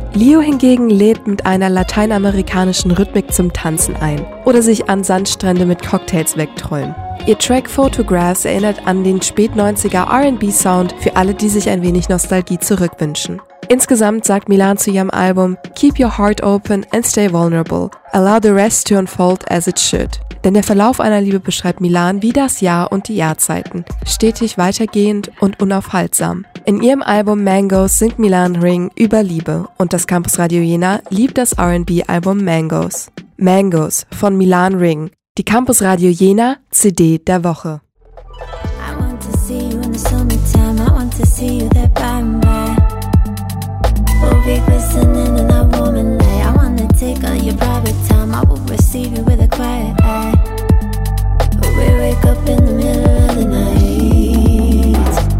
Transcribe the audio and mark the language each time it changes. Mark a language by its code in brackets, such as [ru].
[de] Leo hingegen lädt mit einer lateinamerikanischen Rhythmik zum Tanzen ein oder sich an Sandstrände mit Cocktails wegträumen. Ihr Track Photographs erinnert an den Spät-90er R&B-Sound für alle, die sich ein wenig Nostalgie zurückwünschen. Insgesamt sagt Milan zu ihrem Album [en] Keep your heart open and stay vulnerable. Allow the rest to unfold as it should. [de] Denn der Verlauf einer Liebe beschreibt Milan wie das Jahr und die Jahrzeiten. Stetig weitergehend und unaufhaltsam. In ihrem Album Mangos singt Milan Ring über Liebe. Und das Campus Radio Jena liebt das R&B-Album Mangos. Mangos von Milan Ring. Die Campus Radio Jena, CD der Woche. [en] I want to see you in the summertime. I want to see you there by and by. We'll be glistening in a warm and light. I want to take all your private time. I will receive you with a quiet eye. But we wake up in the middle of the night.